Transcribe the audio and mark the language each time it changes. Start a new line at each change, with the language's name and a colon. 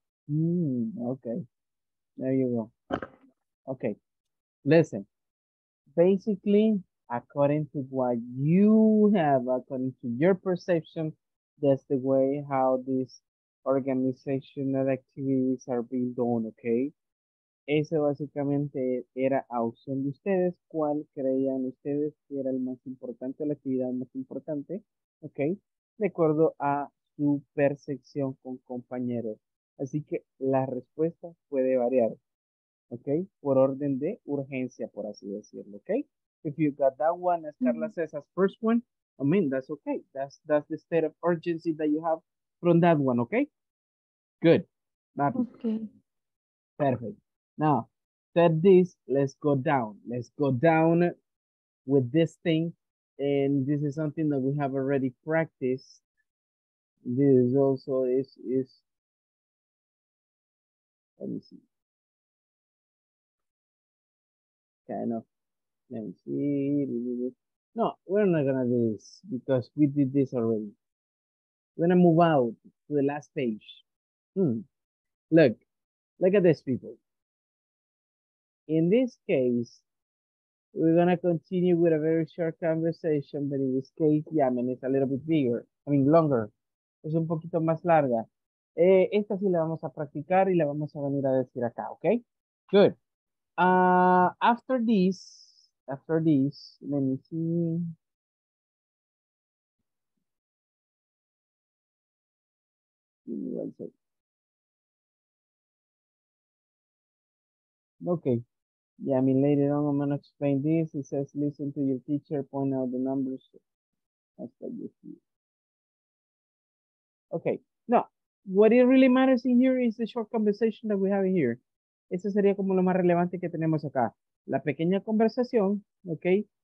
English: Okay, there you go. Okay, listen. Basically, according to what you have, according to your perception, that's the way how these organizational activities are being done, okay?
Spanish: Ese básicamente era opción de ustedes. ¿Cuál creían ustedes que era el más importante, la actividad más importante? Okay, de acuerdo a su percepción con compañeros. Así que la respuesta puede variar, ¿ok? Por orden de urgencia, por así decirlo, ¿ok?
English: If you got that one, as Carla says, as first one, I mean, that's okay. That's the state of urgency that you have from that one, ¿ok? Good. Bobby. Okay. Perfect. Now, said this, let's go down. Let's go down with this thing. And this is something that we have already practiced. This is also is let me see. Kind of let me see. No, we're not gonna do this because we did this already. We're gonna move out to the last page. Look at this people. In this case, we're gonna continue with a very short conversation, but in this case, yeah, I mean it's a little bit bigger, I mean longer.
Spanish: Es un poquito más larga. Esta sí la vamos a practicar y la vamos a venir a decir acá, ¿ok?
English: Good. After this, let me see. Give me one second. Okay. Yeah, I mean, later on, I'm going to explain this. It says, listen to your teacher, point out the numbers. That's what you see. Okay, no, what it really matters in here is the short conversation that we have here.
Spanish: Eso sería como lo más relevante que tenemos acá. La pequeña conversación, okay?